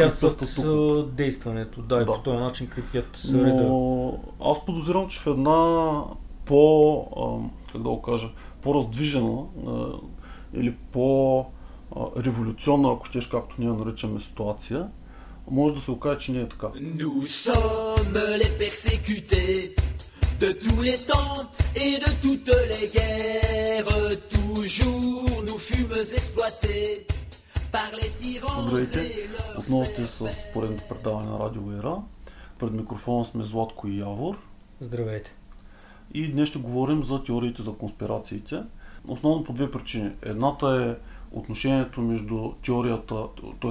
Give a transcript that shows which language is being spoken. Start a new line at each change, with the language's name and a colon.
Bulgarian: възпрепятстват действането. Да, и да. По този начин крепят среда. Но аз подозирам, че в една по-раздвижена или по-революционна, ако щеш, както ние наричаме, ситуация, може да се окаже, че не е така.
French: Nous sommes les persécutés de tous les temps et de toutes les guerres. Toujours nous fûmes exploités par les tyrans.
Bulgarian: Здравейте, отново сте с поредното предаване на Радио Ера. Пред микрофона сме Златко и Явор. Здравейте. И днес ще говорим за теориите за конспирациите. Основно по две причини. Едната е отношението между теорията, т.е.